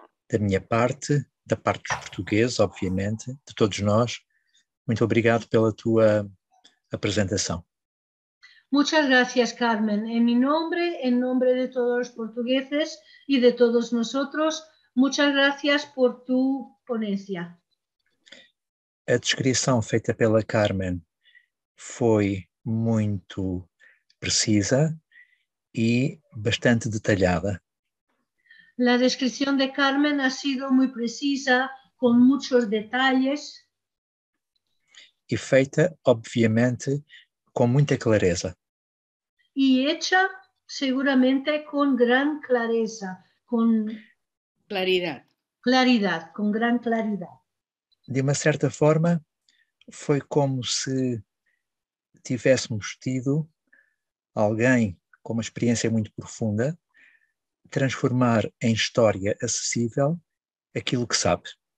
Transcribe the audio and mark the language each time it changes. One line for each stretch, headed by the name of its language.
Portuguese: Da minha parte, da parte dos portugueses, obviamente, de todos nós, muito obrigado pela tua apresentação.
Spanish: Muchas gracias, Carmen. En mi nombre, en nombre de todos los portugueses y de todos nosotros, muchas gracias por tu ponencia.
Portuguese: A descrição feita pela Carmen foi muito precisa e bastante detalhada.
Spanish: La descripción de Carmen ha sido muy precisa, con muchos detalles.
Portuguese: E feita, obviamente, com muita clareza.
Spanish: Y hecha, seguramente, con gran clareza, con... Claridad. Claridad, con gran claridad.
Portuguese: De uma certa forma, foi como se tivéssemos tido alguém com uma experiência muito profunda, transformar em história acessível aquilo que sabe.